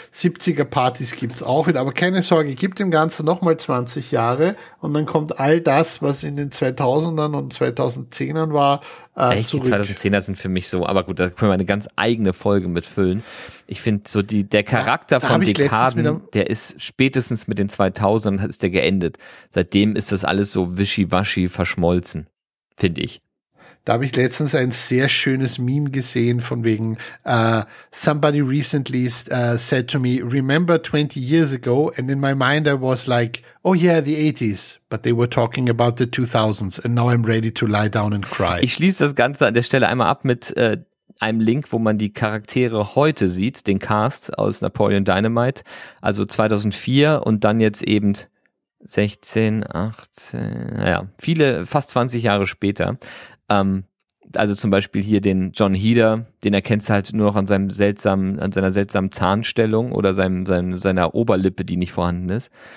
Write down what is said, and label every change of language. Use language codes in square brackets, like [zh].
[de] 70er-Partys gibt es auch wieder. Aber keine Sorge, gib dem Ganzen nochmal 20 Jahre und dann kommt all das, was in den 2000ern und 2010ern war, echt, die 2010er sind für mich so, aber gut, da können wir eine ganz eigene Folge mitfüllen. Ich finde so der Charakter von Dekaden, der ist spätestens mit den 2000ern ist der geendet. Seitdem ist das alles so wischiwaschi verschmolzen, finde ich. Da habe ich letztens ein sehr schönes Meme gesehen von wegen [en] somebody recently said to me, remember 20 years ago, and in my mind I was like, oh yeah, the 80s, but they were talking about the 2000s and now I'm ready to lie down and cry. [de] Ich schließe das Ganze an der Stelle einmal ab mit einem Link, wo man die Charaktere heute sieht, den Cast aus Napoleon Dynamite, also 2004 und dann jetzt eben 16, 18, naja, viele, fast 20 Jahre später. Also zum Beispiel hier den John Heder, den erkennst du halt nur noch an seiner seltsamen Zahnstellung oder seiner Oberlippe, die nicht vorhanden ist.